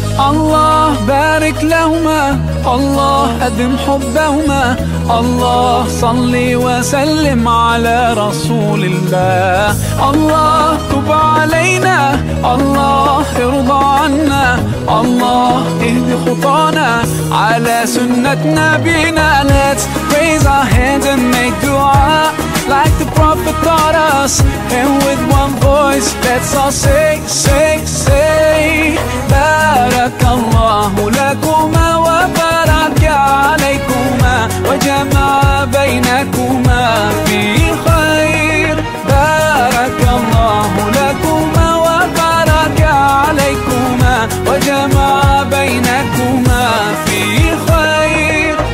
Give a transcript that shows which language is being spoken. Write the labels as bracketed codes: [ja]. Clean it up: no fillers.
[ar] الله بارك لهما. الله أدم حبهما. الله صلي وسلم على رسول الله. الله تب علينا. الله ارضى عنا. الله اهد خطانا على سنة نبينا. [en] Let's raise our hands and make dua like the Prophet taught us. And with one voice, let's all say, say, say, [ar] بارك الله لكما وبارك عليكما وجمع بينكما في الخير. بارك الله لكما وبارك عليكما وجمع بينكما في الخير.